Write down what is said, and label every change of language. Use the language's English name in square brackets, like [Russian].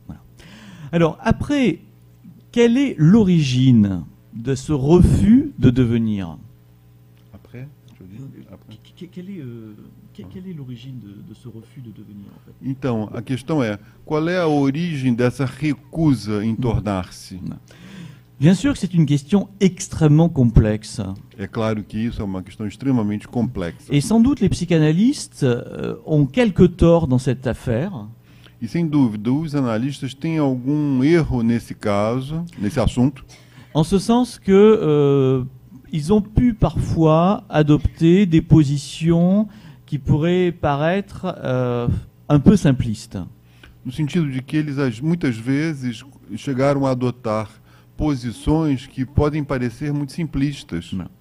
[French] Voilà. Alors après, quelle est l'origine de ce refus de devenir. Après, je dis, après. Quelle est l'origine de ce refus de devenir, en fait? [Portuguese] Então, a questão é, qual é a origem dessa recusa em tornar-se? [French] Bien sûr que c'est une question extrêmement complexe. [Portuguese] É claro que isso é uma questão extremamente complexa. [French] Et sans doute les psychanalystes ont quelques torts dans cette affaire. [Portuguese] E sem dúvida, os analistas têm algum erro nesse caso, nesse assunto. [French] En ce sens que ils ont pu parfois adopter des positions qui pourraient paraître un peu simplistes. [Portuguese] No sentido de que eles muitas vezes chegaram a adotar posições que podem parecer muito simplistas.